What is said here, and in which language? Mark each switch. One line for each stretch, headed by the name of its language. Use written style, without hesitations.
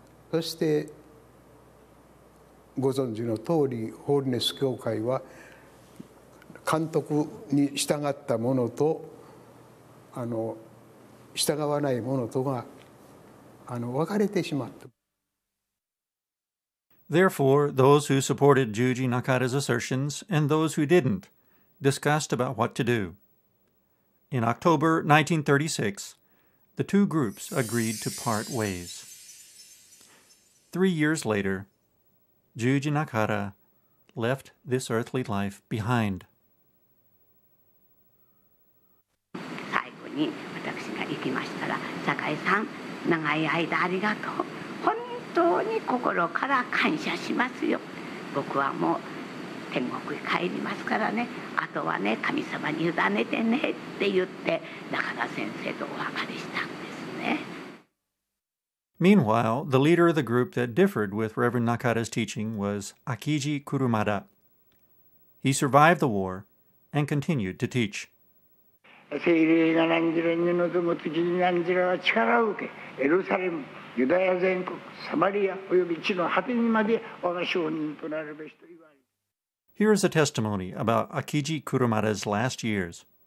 Japanese: そしてご存知の通り、ホーリネス教会は監督に従ったものと従わないものとが分かれてしまった。
English: Therefore, those who supported Juji Nakata's assertions and those who didn't discussed about what to do. In October 1936, the two groups agreed to part ways. 3 years later, Juji Nakata left this earthly life behind.
Japanese: 最後に私が行きましたら、坂井さん、長い間ありがとう。本当に心から感謝しますよ。僕はもう天国へ帰りますからね、あとはね神様に委ねてねって言って中田先生とお別れしたんですね。
English: Meanwhile, the leader of the group that differed with Reverend Nakata's teaching was Akiji Kurumada. He survived the war and continued to teach.
Japanese: 聖霊が何時らに望む時に何時らは力を受け、エルサレム、ユダヤ全国、サマリア及び地の果てにまで我が証人となるべしと言われ。
English: Here is a testimony about Akiji Kurumada's last years.